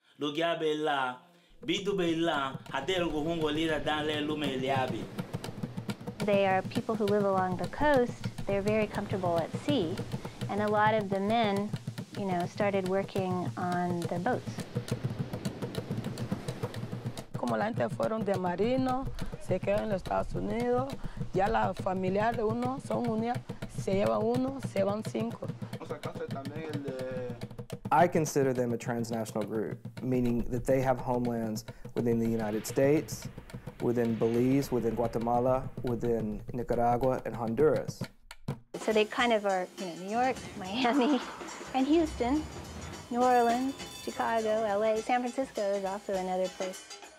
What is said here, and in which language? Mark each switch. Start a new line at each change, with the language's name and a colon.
English: They are people who live along the coast. They're very comfortable at sea, and a lot of the men, you know, started working on the boats.
Spanish: Como la gente fueron de marino, se quedan en los Estados Unidos, ya la familia de uno son unidas, se lleva uno, se van cinco.
English: I consider them a transnational group, meaning that they have homelands within the United States, within Belize, within Guatemala, within Nicaragua and Honduras. So they kind of are, you know, New York, Miami, and Houston, New Orleans, Chicago, LA, San Francisco is also another place.